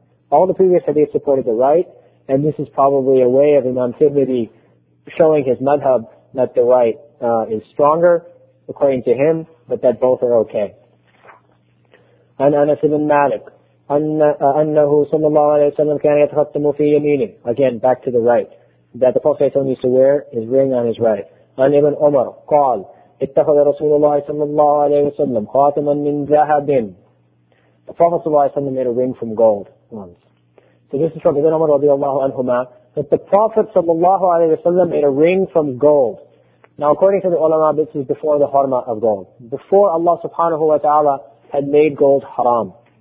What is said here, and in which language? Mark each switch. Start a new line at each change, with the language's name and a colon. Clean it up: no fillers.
English: All the previous hadith supported the right, and this is probably a way of Imam Tirmidhi showing his madhab that the right is stronger, according to him, but that both are okay. And Anas ibn Malik.
Arabic: أنه صلى الله عليه وسلم كان يتختم في يمينه.
English: Again, back to the right. That the Prophet used to wear his ring on his right.
Arabic: عن ابن عمر قال اتخذ رسول الله صلى الله عليه وسلم خاتما من ذهب.
English: The Prophet صلى الله عليه وسلم made a ring from gold once. So this is from ابن عمر رضي الله عنهما that the Prophet صلى الله عليه وسلم made a ring from gold. Now, according to the ulama, this is before the hurma of gold. Before Allah subhanahu wa ta'ala had made gold haram.